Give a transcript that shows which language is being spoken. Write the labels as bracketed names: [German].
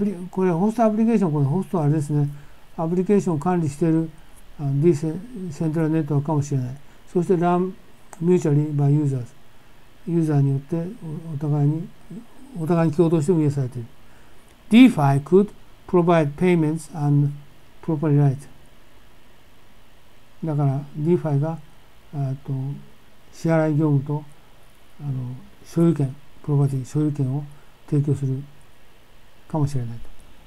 [Japanese] これホストアプリケーション、このホストはあれですね、アプリケーションを管理しているディセントラネットワークかもしれない。そして [English] run mutually by users。 [Japanese] ユーザーによってお互いに共同して運営されている。 [English] DeFi could provide payments and property rights。 [Japanese] だから DeFi が支払い業務と所有権、プロパティ所有権を提供するかもしれないと。